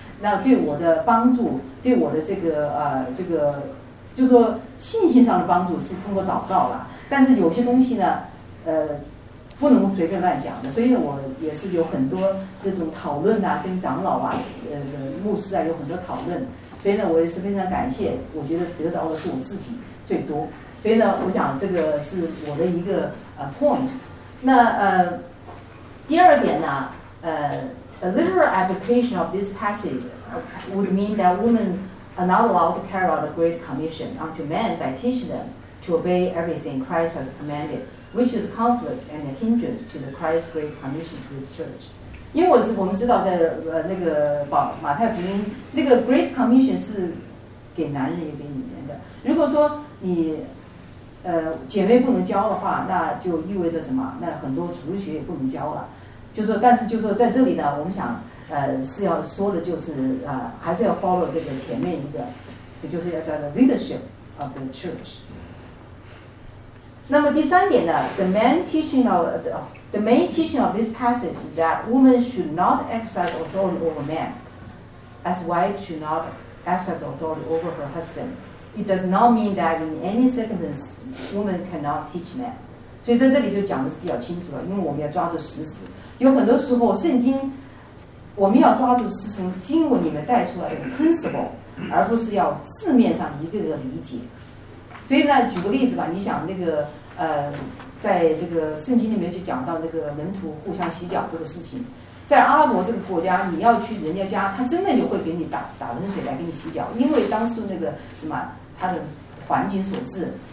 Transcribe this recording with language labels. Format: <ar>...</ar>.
<zh>那对我的帮助，对我的这个就是说信心上的帮助是通过祷告了，但是有些东西呢不能随便乱讲的，所以我也是有很多这种讨论啊，跟长老啊牧师啊有很多讨论，所以呢我也是非常感谢，我觉得得着的是我自己最多，所以呢我想这个是我的一个point。那第二点呢</zh> <en>A literal application of this passage would mean that women are not allowed to carry out a great commission unto men by teaching them to obey everything Christ has commanded, which is conflict and a hindrance to the Christ's great commission to his church.</en> <zh>因为我们知道在那个马太福音，那个 great commission 是给男人也给女人的。如果说你姐妹不能教的话，那就意味着什么？那很多主日学也不能教了。就说，但是就说在这里呢，我们想，是要说的，就是还是要 follow 这个前面一个，也就是要叫做</zh> <en>leadership of the church。</en> <zh>那么第三点呢</zh> <en>the main, teaching of, the main teaching of this passage is that women should not exercise authority over men as wife should not exercise authority over her husband. It does not mean that in any circumstance women cannot teach men.</en> <zh>所以在这里就讲的是比较清楚了，因为我们要抓住实质。有很多时候圣经我们要抓住是从经文里面带出来的 principle， 而不是要字面上一个个理解。所以呢，举个例子吧，你想那个在这个圣经里面就讲到那个门徒互相洗脚这个事情，在阿拉伯这个国家，你要去人家家，他真的就会给你打温水来给你洗脚，因为当时那个什么他的环境所致。</zh>